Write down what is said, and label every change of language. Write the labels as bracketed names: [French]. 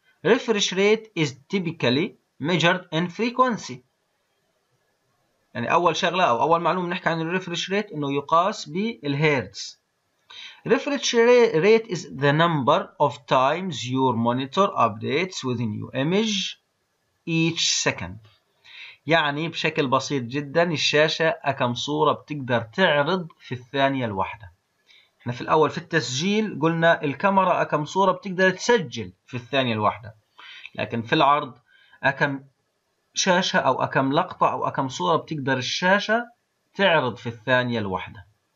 [English] Refresh rate is typically measured in frequency. [Arabic] يعني أول شغلة أو أول معلومة نحكي عن الريفرش ريت إنه يقاس بالهيرتز. [English] Refresh rate is the number of times your monitor updates with a new image each second. [Arabic] يعني بشكل بسيط جدا الشاشة كم صورة بتقدر تعرض في الثانية الواحدة. احنا في الأول في التسجيل قلنا الكاميرا كم صورة بتقدر تسجل في الثانية الواحدة، لكن في العرض كم شاشة أو كم لقطة أو كم صورة بتقدر الشاشة تعرض في الثانية الواحدة.